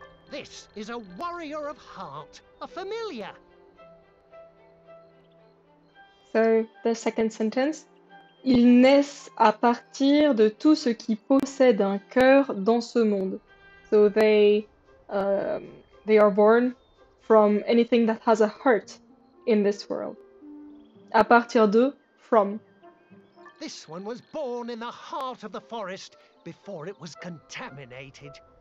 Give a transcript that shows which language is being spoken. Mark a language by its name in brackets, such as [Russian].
[English] This is a warrior of heart, a familiar. So, the second sentence. [French] Ils naissent à partir de tout ce qui possède un cœur dans ce monde. [English] So they are born from anything that has a heart in this world. [French] À partir de, from. [English] This one was born in the heart of the forest before it was contaminated.